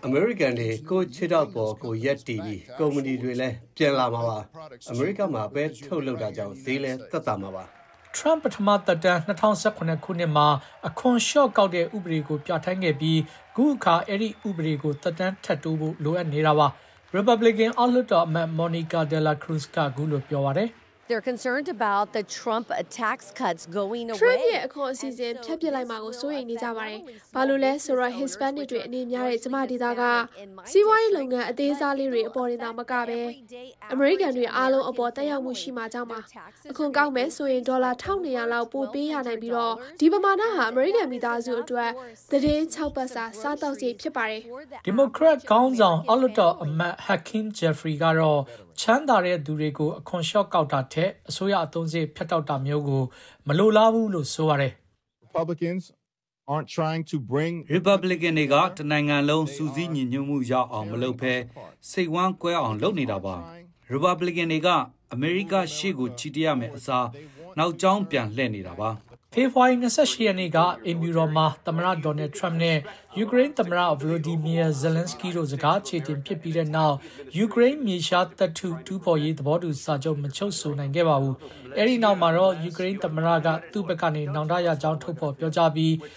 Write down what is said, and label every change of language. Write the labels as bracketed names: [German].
[Burmese] American တွေကိုချစ်တော့ပေါ်ကိုရက်တည်ပြီးကုမ္ပဏီတွေလည်းပြန်လာမှာပါ America မှာပဲထုတ်လုပ်တာကြောင့်ဈေးလည်းသက်သာမှာပါ Trump ပထမသက်တမ်း2018ခုနှစ်မှာအခွန် short ကောက်တဲ့ဥပဒေကိုပြဋ္ဌာန်းခဲ့ပြီးခုအခါအဲ့ဒီဥပဒေကိုသက်တမ်းထပ်တိုးဖို့လိုအပ်နေတာပါ Republican အလွတ်တော်အမတ် Monica De La Cruz ကခုလိုပြောပါတယ် [English] They're concerned about the Trump tax cuts going away. [Burmese] Trump ရဲ့အခွန်အစည်းအဝေးဖျက်ပစ်လိုက်မှာကိုစိုးရိမ်နေကြပါတယ်။ဘာလို့လဲဆိုတော့ Hispanic တွေအနေများတဲ့ جماعه ဒေသကစီးပွားရေးလုပ်ငန်းအသေးစားလေးတွေအပေါ်တင်တာမကပဲ American တွေအားလုံးအပေါ်တက်ရောက်မှုရှိမှကြောင့်ပါ။အခွန်ကောက်မဲ့ဆိုရင်ဒေါ်လာ1,200လောက်ပိုပေးရနိုင်ပြီးတော့ဒီပမာဏဟာ American မိသားစုအတွက်သတင်း6ပတ်စာစားတောက်စီဖြစ်ပါတယ် ။ Democrat ခေါင်းဆောင် Alot အမတ် Hakeem Jeffries ကတော့ချမ်းသာတဲ့သူတွေကိုအခွန် short ကောက်တာထက်အစိုးရအသုံးစရဖျက်တောက်တာမျိုးကိုမလိုလားဘူးလို့ဆိုရတယ် [English] Republicans aren't trying to bring [Burmese] Republican တွေကတနိုင်ငံလုံးစူးစီးညှဉ်းညွှန်းမှုရောက်အောင်မလုပ်ဘဲစိတ်ဝမ်းကွဲအောင်လုပ်နေတာပါ Republican တွေကအမေရိကရှေ့ကိုချီတက်ရမယ်အစားနောက်ကျောင်းပြန်လှည့်နေတာပါ ဖ ဖေဖော်ဝါရီ28ရက်နေ့ကအင်ဗျူရောမှာသမ္မတဒေါ်နယ်ထရမ့်နဲ့ယူကရိန်းသမ္မတဗလိုဒီမီယာဇယ်လင်စကီတို့စကားခြေတင်ဖြစ်ပြီးတဲ့နောက်ယူကရိန်းမြေရှားတပ်ထုတူးဖော်ရေးသဘောတူစာချုပ်မချုပ်ဆိုနိုင်ခဲ့ပါဘူး။အဲဒီနောက်မှာတော့ယူကရိန်းသမ္မတကသူ့ဘက်ကနေနောင်တရကြောင်းထုတ်ဖော်ပြောကြားပြီး